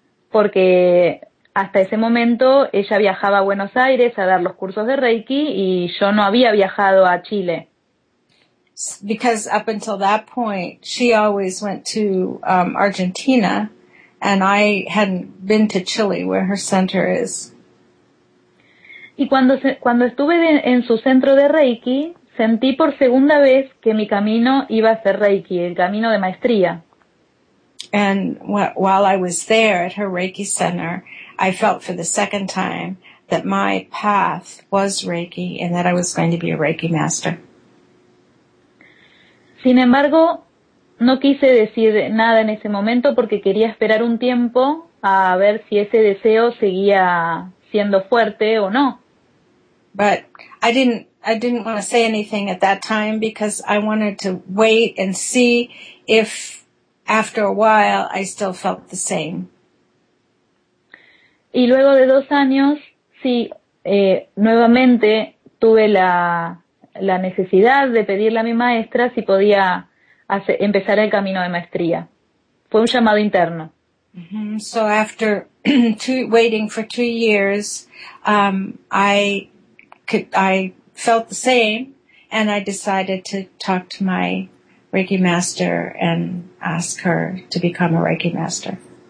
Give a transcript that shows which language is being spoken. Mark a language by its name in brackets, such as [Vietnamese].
[Spanish] Porque hasta ese momento ella viajaba a Buenos Aires a dar los cursos de Reiki y yo no había viajado a Chile. [English] Because up until that point, she always went to Argentina, and I hadn't been to Chile, where her center is. [Spanish] Y cuando estuve en su centro de Reiki, sentí por segunda vez que mi camino iba a ser Reiki, el camino de maestría. [English] And while I was there at her Reiki center, I felt for the second time that my path was Reiki and that I was going to be a Reiki master. [Spanish] Sin embargo, no quise decir nada en ese momento porque quería esperar un tiempo a ver si ese deseo seguía siendo fuerte o no. [English] But I didn't want to say anything at that time because I wanted to wait and see if after a while I still felt the same. [Spanish] Y luego de 2 años, sí, nuevamente tuve la necesidad de pedirle a mi maestra si podía empezar el camino de maestría. Fue un llamado interno. Mm-hmm. [English] So after waiting for 2 years, I felt the same, and I decided to talk to my Reiki master and ask her to become a Reiki master.